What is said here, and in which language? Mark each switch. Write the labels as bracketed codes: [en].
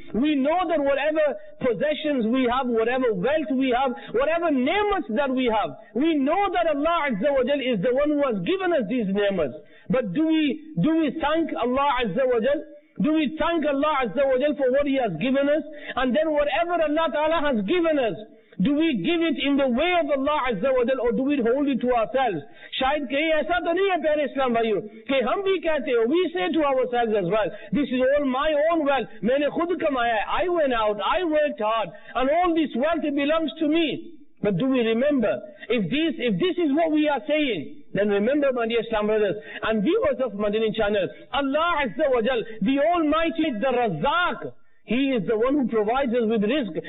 [en] We know that whatever possessions we have, whatever wealth we have, whatever ni'mat that we have, we know that Allah Azza wa Jal is the one who has given us these ni'mat. But do we thank Allah Azza wa Jal? Do we thank Allah Azza wa Jal for what He has given us? And then whatever Allah Ta'ala has given us, Do we give it in the way of Allah Azza wa Jal, or do we hold it to ourselves? [ur] شاید کہیں ایسا تو نہیں ہے پیارے اسلام بھائیو کے ہم بھی کہتے ہو، [en] we say to ourselves as well, this is all my own wealth. [ur] Maine khud kamaya hai, [en] I went out, I worked hard, and all this wealth belongs to me. But do we remember? If this is what we are saying, then remember, my dear Islam brothers and viewers of Madani Channel, Allah Azza wa Jal, the Almighty, the Razzaq, He is the one who provides us with risk.